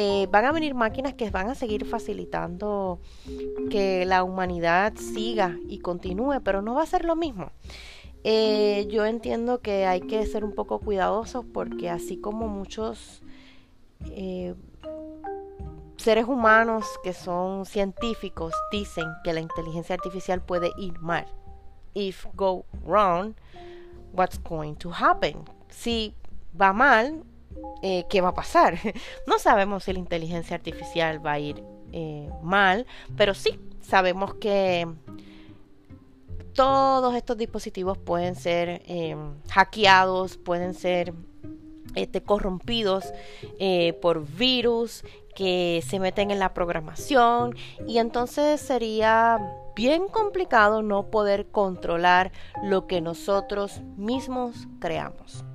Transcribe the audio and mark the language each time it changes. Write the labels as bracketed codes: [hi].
[es] Van a venir máquinas que van a seguir facilitando que la humanidad siga y continúe, pero no va a ser lo mismo. Yo entiendo que hay que ser un poco cuidadosos porque así como muchos seres humanos que son científicos dicen que la inteligencia artificial puede ir mal. [en] If go wrong, what's going to happen? [es] Si va mal, ¿qué va a pasar? No sabemos si la inteligencia artificial va a ir mal, pero sí sabemos que todos estos dispositivos pueden ser hackeados, pueden ser corrompidos por virus que se meten en la programación y entonces sería bien complicado no poder controlar lo que nosotros mismos creamos.